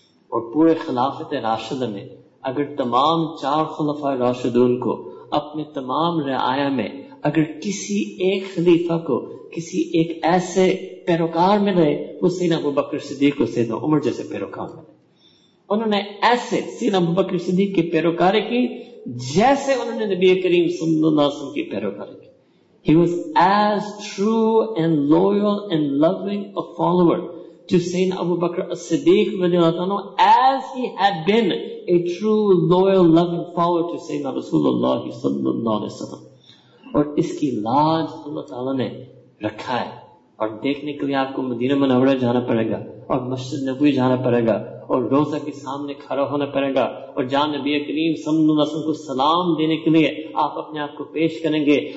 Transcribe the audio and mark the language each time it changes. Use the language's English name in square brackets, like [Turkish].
[Urdu] اور پورے خلافت راشدہ میں اگر تمام چار خلفاء راشدون کو اپنے تمام رعایا میں اگر کسی ایک خلیفہ کو کسی ایک ایسے پیروکار میں رہے وہ سیدنا ابو بکر صدیق کو سیدنا عمر جیسے پیروکار میں رہے. انہوں نے ایسے سیدنا ابو بکر صدیق کی پیروکاری کی جیسے انہوں نے نبی کریم صلی اللہ علیہ وسلم کی پیروکاری کی. [English] He was as true and loyal and loving a follower to Sayyidina Abu Bakr as-Siddiq radiallahu anhu as he had been a true, loyal, loving follower to Sayyidina Rasulullah sallallahu alayhi wa sallam. [Urdu] اور اس کی لاج اللہ تعالیٰ نے رکھا ہے. اور دیکھنے کے لیے آپ کو مدینہ منورہ جانا پڑے گا اور مسجد نبوی جانا پڑے گا اور روزہ کے سامنے کھڑا ہونا پڑے گا اور جان نبی کریم صلی اللہ علیہ وسلم کو سلام دینے کے لیے آپ اپنے آپ کو پیش کریں گے.